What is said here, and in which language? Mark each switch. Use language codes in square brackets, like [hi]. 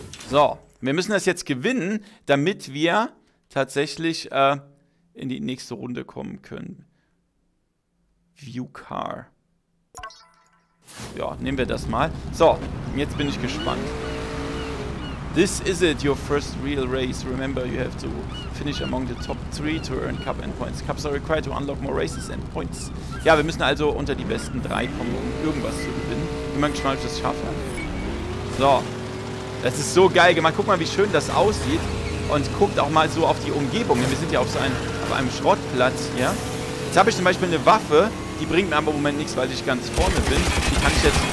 [de] So, wir müssen das jetzt gewinnen, damit wir tatsächlich in die nächste Runde kommen können. View Car. Ja, nehmen wir das mal. So, jetzt bin ich gespannt. [en] This is it, your first real race. Remember, you have to finish among the top 3 to earn Cup and Points. Cups are required to unlock more races and points. [de] Ja, wir müssen also unter die besten 3 kommen, um irgendwas zu gewinnen. Bin mal gespannt, ob ich das schaffe. So, das ist so geil gemacht. Guck mal, wie schön das aussieht. Und guckt auch mal so auf die Umgebung. Wir sind ja auf einem Schrottplatz hier. Jetzt habe ich zum Beispiel eine Waffe. Die bringt mir aber im Moment nichts, weil ich ganz vorne bin. Die kann ich jetzt...